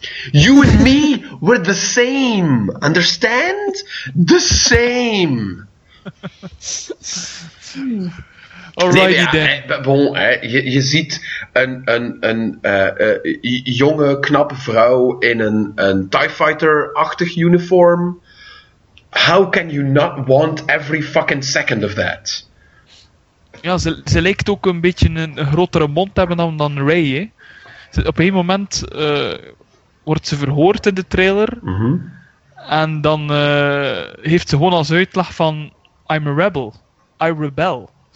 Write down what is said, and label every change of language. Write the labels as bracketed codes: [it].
[en] You and me were the same. Understand? The same. Alrighty then. [nl] Je ziet een jonge, knappe vrouw in een TIE Fighter-achtig uniform. [en] How can you not want every fucking second of that? [nl] Ja, ze lijkt ook een beetje een grotere mond te hebben dan Rey. Hè. Op een moment wordt ze verhoord in de trailer. Mm-hmm. En dan heeft ze gewoon als uitleg van [en] I'm a rebel. I rebel.